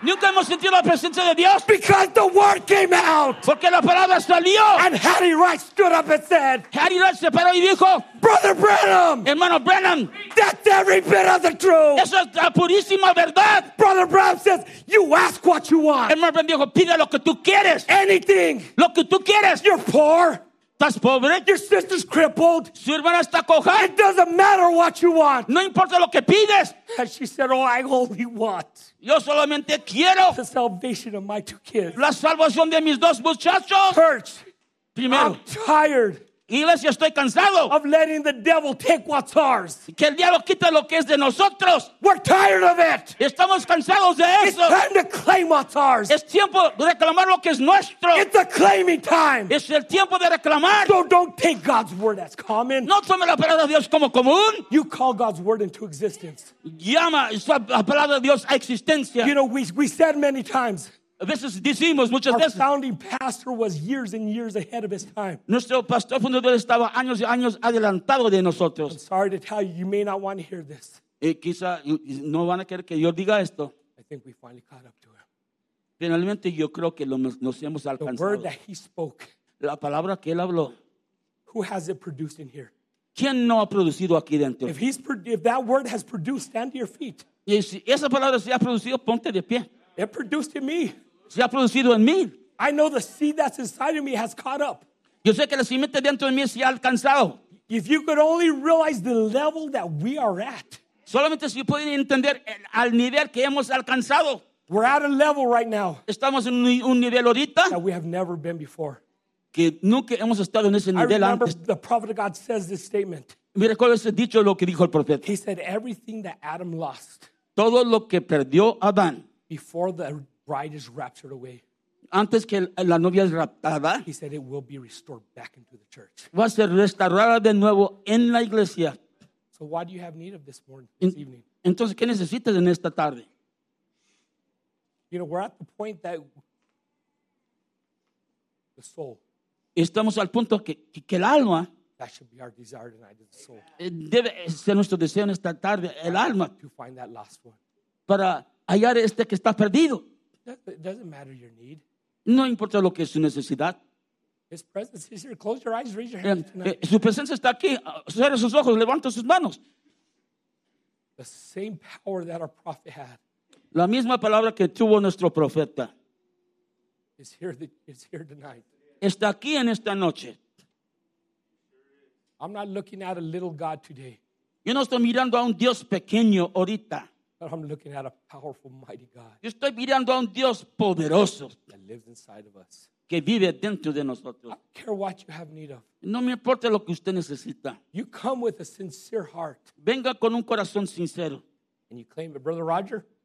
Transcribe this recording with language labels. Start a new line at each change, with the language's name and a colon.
Spanish: Nunca hemos sentido la presencia de Dios.
English: Because the word came out.
Spanish: Porque la palabra salió.
English: And Hattie Wright stood up and said.
Spanish: Hattie Wright se paró y dijo.
English: Brother Branham.
Spanish: Hermano Branham.
English: That's every bit of the truth.
Spanish: Eso es la purísima verdad.
English: Brother Branham says, you ask what you want.
Spanish: Hermano Branham dijo, pide lo que tú quieres.
English: Anything.
Spanish: Lo que tú quieres.
English: You're poor.
Spanish: ¿Estás pobre?
English: Your sister's crippled.
Spanish: ¿Su hermana está coja?
English: It doesn't matter what you want.
Spanish: No importa lo que pides.
English: And she said, oh, I only want.
Spanish: Yo solamente quiero.
English: The salvation of my two kids.
Spanish: La salvación de mis dos muchachos.
English: Church.
Spanish: Primero.
English: I'm tired.
Spanish: Iglesia, estoy cansado.
English: Of letting the devil take what's ours.
Spanish: Que el diablo quita lo que es de nosotros.
English: We're tired of it.
Spanish: Estamos cansados de eso.
English: It's time to claim what's ours.
Spanish: Es tiempo de reclamar lo que es nuestro.
English: It's the claiming time.
Spanish: Es el tiempo de reclamar.
English: So don't take God's word as common.
Spanish: No tome la palabra de Dios como común.
English: You call God's word into existence.
Spanish: Llama la palabra de Dios a existencia.
English: You know, we said many times. This is
Spanish: decimos muchas
English: our
Spanish: veces.
English: Our founding pastor was years and years ahead of his time.
Spanish: Nuestro pastor fundador estaba años y años adelantado de nosotros.
English: I'm sorry to tell you, you may not want to hear this.
Spanish: Y quizá no van a querer que yo diga esto.
English: I think we finally caught up to him.
Spanish: Finalmente yo creo que nos hemos alcanzado.
English: The word that he spoke.
Spanish: La palabra que él habló.
English: Who has it produced in here?
Spanish: ¿Quién no ha producido aquí dentro?
English: If that word has produced, stand to your feet.
Spanish: Y si esa palabra se ha producido, ponte de pie.
English: It produced in me.
Spanish: Se ha producido en mí.
English: I know the seed that's inside of me has caught up.
Spanish: Yo sé que la simiente dentro de mí se ha alcanzado.
English: If you could only realize the level that we are at.
Spanish: Solamente si pueden entender al nivel que hemos alcanzado.
English: We're at a level right now.
Spanish: Estamos en un nivel ahorita.
English: That we have never been before.
Spanish: Que nunca hemos estado en ese nivel antes.
English: I remember the prophet of God says this statement.
Spanish: Me recuerdo ese dicho lo que dijo el profeta.
English: He said everything that Adam lost.
Spanish: Todo lo que perdió Adán.
English: Before the bride is raptured away.
Spanish: Antes que la novia es raptada.
English: He said it will be restored back into the church.
Spanish: Va a ser restaurada de nuevo en la iglesia.
English: So why do you have need of this morning, this evening?
Spanish: Entonces, ¿qué necesitas en esta tarde?
English: You know, we're at the point that the soul.
Spanish: Estamos al punto que el alma.
English: That should be our desire tonight, the soul.
Spanish: Debe ser nuestro deseo en esta tarde, el alma.
English: To find that last one.
Spanish: Para hallar este que está perdido.
English: It doesn't matter your need.
Spanish: No importa lo que es su necesidad.
English: His presence is here. Close your eyes, raise your hands tonight.
Spanish: Su presencia está aquí. Cierra sus ojos, levanta sus manos.
English: The same power that our prophet had.
Spanish: La misma palabra que tuvo nuestro profeta.
English: Is here tonight.
Spanish: Está aquí en esta noche.
English: I'm not looking at a little God today.
Spanish: Yo no estoy mirando a un Dios pequeño ahorita.
English: But I'm looking at a powerful, mighty God.
Spanish: Yo estoy mirando a un Dios poderoso.
English: That lives inside of us.
Spanish: Que vive dentro de nosotros.
English: I don't care what you have need of.
Spanish: No me importa lo que usted necesita.
English: You come with a sincere heart.
Spanish: Venga con un corazón sincero.
English: And you claim it, Brother Roger.